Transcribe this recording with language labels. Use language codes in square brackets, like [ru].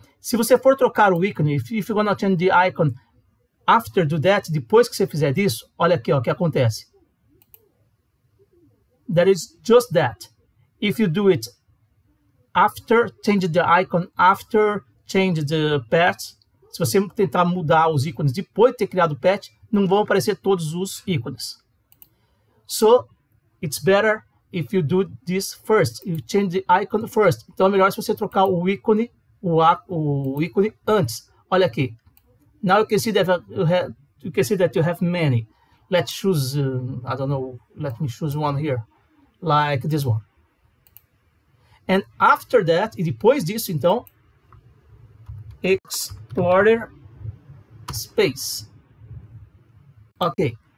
[pt] Se você for trocar o ícone, [en] if you're gonna change the icon after do that, [pt] depois que você fizer isso, olha aqui, ó, o que acontece. [en] That is just that. If you do it after, change the icon after, change the patch. [pt] Se você tentar mudar os ícones depois de ter criado o patch, não vão aparecer todos os ícones. [en] So, it's better if you do this first. You change the icon first. [pt] Então, é melhor se você trocar o ícone, o ícone antes. Olha aqui. [en] Now you can see that you have many. Let's choose, I don't know, let me choose one here. Like this one. And after that, [pt] e depois disso, então, [en] Explorer space. Ok.